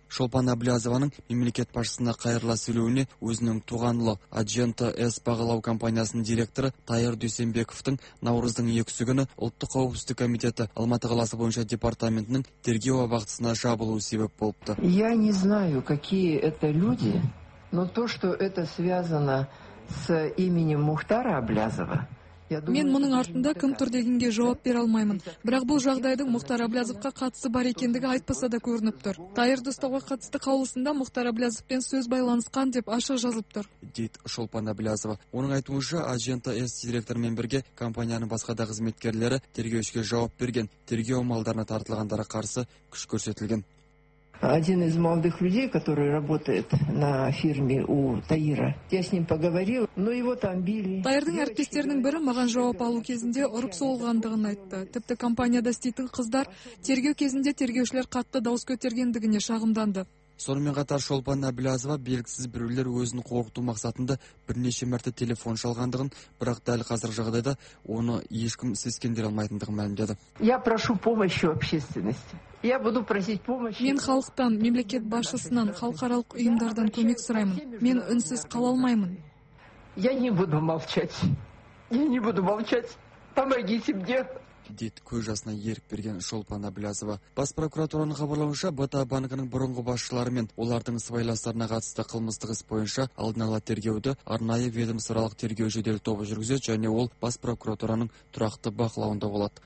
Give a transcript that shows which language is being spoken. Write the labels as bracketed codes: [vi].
[kk] Шолпан Әбілязованың мемлекет басшысына қайырыла сөйлеуіне өзінің туған ұлы Аджента С бағалау компаниясының директоры Тайыр Дүйсенбековтің наурыздың 2-сі күні Ұлттық қауіпсіздік комитеті Алматы қаласы бойынша департаментінің тергеу абақтысына жабылуы себеп болыпты. [ru] Я не знаю, какие это люди. Но то, что это связано с именем Мухтара Әбілязова, [kk] мен мұның артында кім тұр дегенге жауап бере алмаймын. Бірақ бұл жағдайдың Мұхтар Әбілязовқа қатысы бар екендігі айтпаса да көрініп тұр. Тайырды ұстауға қатысты қаулысында Мұхтар Әбілязовпен сөз байланысқан деп ашық жазылып тұр. Дейді Шолпан Әбілязова. Оның айтуынша, Аджента С директорымен бірге компанияның басқа да қызметкерлері тергеушіге жауап берген, тергеу амалдарына тартылғандарға қарсы күш көрсетілген. [ru] Один из молодых людей, который работает на фирме у Таира, я с ним поговорил, но его там били. [kk] Таирдың әріптестерінің бірі маған жауап алу кезінде ұрып соғылғандығын айтты. Тіпті компанияда істейтін қыздар тергеу кезінде тергеушілер қатты дауыс көтергендігіне шағымданды. Сонымен қатар Шолпан Әбілазова белгісіз біреулер өзін қорқыту мақсатында бірнеше мәрте телефон шалғандығын, бірақ дәл қазір жағдайда оны ешкім сескендіре алмайтындығын мәлімдеді. [ru] Я прошу помощи общественности. Я буду просить помощи. [kk] Мен халықтан, мемлекет басшысынан, халықаралық ұйымдардан көмек сұраймын. Мен үнсіз қала алмаймын. [ru] Я не буду молчать. Я не буду молчать. Помогите мне. [kk] Дет көз жасына ерік берген Шолпан Әбілазова. Бас прокуратураның хабарлауынша, БТА банкінің бұрынғы басшылары мен олардың сыбайластарына қатысты қылмыстық іс бойынша алдын ала тергеуді арнайы ведомствоаралық тергеу жедел тобы жүргізеді және ол бас прокуратураның тұрақты бақылауында болады.